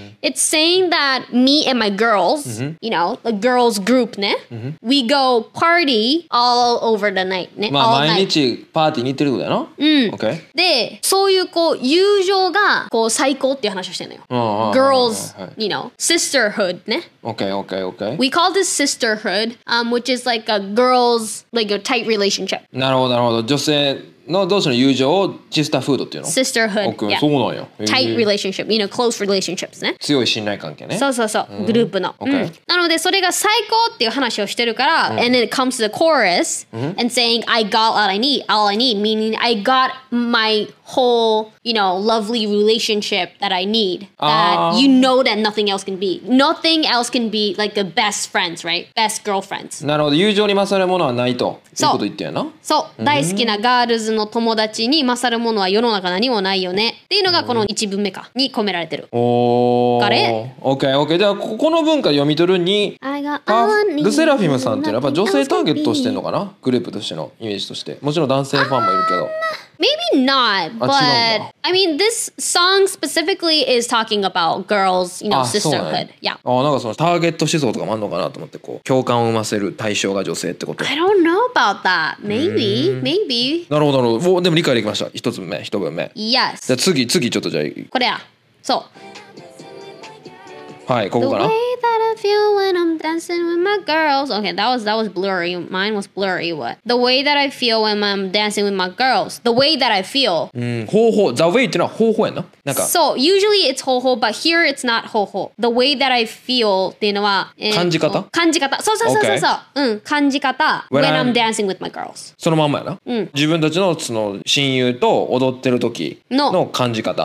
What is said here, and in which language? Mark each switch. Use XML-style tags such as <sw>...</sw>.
<en>It's saying that me and my girls,、うん、 you know, the girls group ね、うん、 We go party all over the night ね、</en> <ja>まあ、毎日パーティーに行ってることやな、うん、</ja> <en>okay.</en> <ja>で、そういうこう友情がこう最高っていう話をしてるのよ、 Girls はい、</ja> <en>you know, sisterhood, ね? Okay, okay, okay. We call this sisterhood, which is like a girl's, like a tight relationship.</en> <ja>なるほど、なるほど。女性の同士の友情をシスターフードっていうの?</ja> <en>Sisterhood, okay, yeah.</en> <ja>そうなんや。</ja> <en>Tight relationship, you know, close relationships, ね?</en> <ja>強い信頼関係ね。そうそうそう、うん、グループの。</ja> <en>Okay. うん、</en> <ja>なので、それが最高っていう話をしてるから、うん、</ja> <en>and then it comes to the chorus,、うん、 and saying, I got all I need, meaning I got my... whole, you know, lovely relationship that I need. That you know that nothing else can be. Nothing else can be like the best friends, right? Best girlfriends.</en> <ja>なるほど。友情に勝るものはないと。そう。いうこと言ってやな。そう。大好きなガールズの友達に勝るものは世の中何もないよね。っていうのがこの一文目か。に込められてる。おー。あれ</ja> <en>?OK, OK.</en> <ja>じゃあ、ここの文化読み取るに、ルセラフィムさんっていうのはやっぱ女性ターゲットしてんのかな? グループとしてのイメージとして。もちろん男性ファンもいるけど。</ja> <en>Maybe not, but I mean, this song specifically is talking about girls, you know, sisterhood. Yeah.</en> <ja>なんかそのターゲット思想とかもあるのかなと思って、こう共感を生ませる対象が女性ってこと。</ja> <en>I don't know about that. Maybe, maybe.</en> <ja>なるほどなるほど。でも理解できました。一つ目、一文目。</ja> <en>Yes.</en> <ja>じゃあ次、次ちょっとじゃあ。これや。そう。はい、ここかな。</ja> <en>Feel when I'm dancing with my girls. Okay, that was blurry. Mine was blurry. What? The way that I feel when I'm dancing with my girls. The way that I feel. The way</en> <ja>ってのは方法やな。なんか。</ja> <en>So usually it's 方法, but here it's not 方法. The way that I feel</en> <ja>っていうのは感じ方。感じ方。そうそうそうそうそう。</ja> <en>うん、</en> <ja>感じ方。</ja> <en>When I'm dancing with my girls.</en> <ja>そのまんまやな。うん。自分たちのその親友と踊ってる時の感じ方。</ja>